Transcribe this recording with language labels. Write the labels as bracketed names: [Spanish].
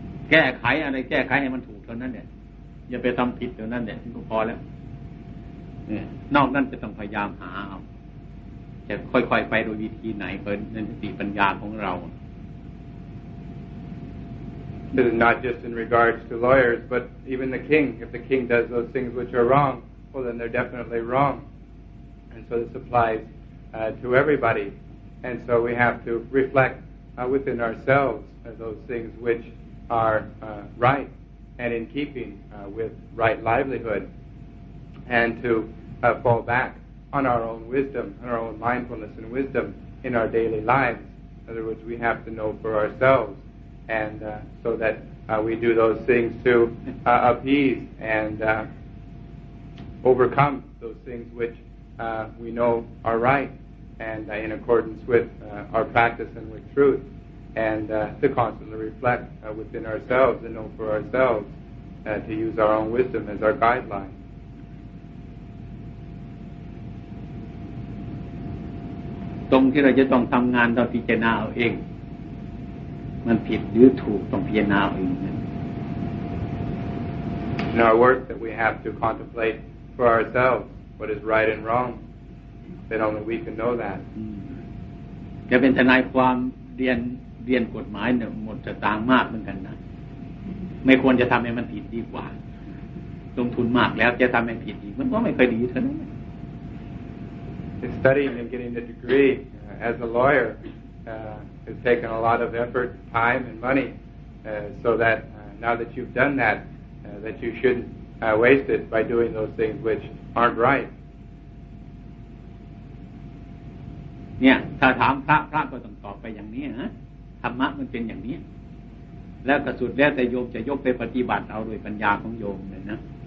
[Thai] แก้ไขอะไรแก้ไขให้มันถูกเท่านั้นเนี่ยอย่าไปทำผิดเท่านั้นเนี่ยก็พอแล้วนอกนั้นจะต้องพยายามหาเอาจะค่อยๆไปโดยวิธีไหนเป็นในสติปัญญาของเรา [English] This is not just in regards to lawyers but even the king if the king does those things which are wrong well then they're definitely wrong and so this applies to everybody and so we have to reflect within ourselves those things which are right and in keeping with right livelihoodand to fall back on our own wisdom, on our own mindfulness and wisdom in our daily lives. In other words, we have to know for ourselves and so that we do those things to appease and overcome those things which we know are right and in accordance with our practice and with truth and to constantly reflect within ourselves and know for ourselves to use our own wisdom as our guideline. [Thai] ตรงที่เราจะต้องทำงานต้องพิจารณาเอาเองมันผิดหรือถูกต้องพิจารณาเองนั่น [English] In our work that we have to contemplate for ourselves what is right and wrong then only we can know that [Thai] จะเป็นทนายความเรียนกฎหมายเนี่ยหมดจะต่างมากเหมือนกันนะไม่ควรจะทำให้มันผิดดีกว่าลงทุนมากแล้วจะทำให้ผิดอีกมันก็ไม่เคยดีเท่านั้น [English] Studying and getting a degree as a lawyer has taken a lot of effort, time, and money so that now that you've done that, that you shouldn't waste it by doing those things which aren't right. [Thai] เนี่ยถ้าถามพระก็ต้องตอบไปอย่างนี้ฮะธรรมะมันเป็นอย่างนี้แล้วก็สุดแล้วแต่โยมจะยกไปปฏิบัติเอาโดยปัญญาของโยมเลยนะ